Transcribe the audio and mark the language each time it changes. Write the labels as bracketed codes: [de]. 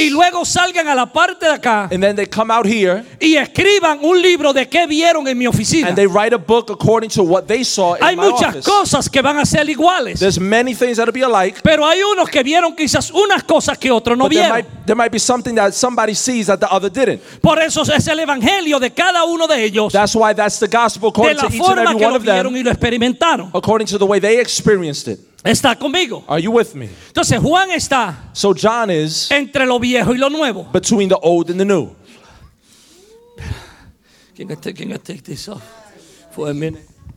[es] Y luego salgan a la parte de acá. [en] And then they come out here. [es] Y escriban un libro de qué vieron en mi oficina. [en] And they write a book according to what they saw in my office. [es] Hay muchas cosas que van a ser iguales. [en] There's many things that'll be alike. [es] Pero hay unos que vieron quizás unas cosas que otros no vieron. [en] There might be something that somebody sees that the other didn't. [es] Por eso es el evangelio de cada uno de ellos. [en] That's why that's the gospel according to each and every one of them. [es] Y lo experimentaron. [en] According to the way they experienced it. [es] Está conmigo. [en] Are you with me? [es] Entonces Juan está. [en] So John is. [es] Entre lo viejo y lo nuevo. [en] Between the old and the new. Can I take this off for a minute?